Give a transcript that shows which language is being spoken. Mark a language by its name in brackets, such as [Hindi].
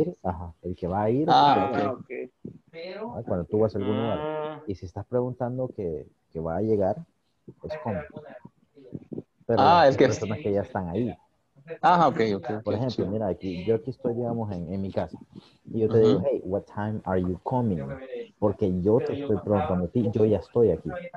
[Spanish] Ir, el que va a ir. Okay. Cuando tú vas a algún lugar. Y si estás preguntando que va a llegar, es como. Pero es que. Personas que ya están ahí. Por ejemplo, mira, aquí, yo aquí estoy, digamos, en mi casa. Y yo te digo, [English] hey, what time are you coming? [Spanish] Porque yo te estoy preguntando a ti, yo ya estoy aquí.